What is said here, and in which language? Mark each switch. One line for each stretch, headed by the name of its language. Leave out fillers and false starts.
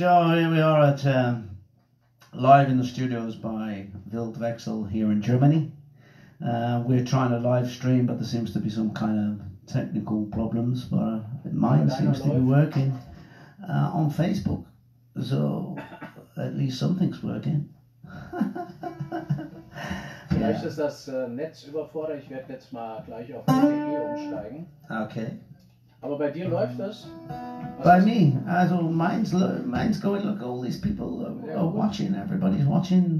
English: Live in the studios by Wild Wechsel here in Germany. We're trying to live stream, but there seems to be some kind of technical problems, but mine seems to be working on Facebook, so at least something's working.
German: Vielleicht ist das Netz überfordert. Ich werde jetzt mal gleich auf die Idee umsteigen.
English: Okay.
German: Aber bei dir läuft das?
English: Also mine's going, look, all these people are watching, everybody's watching.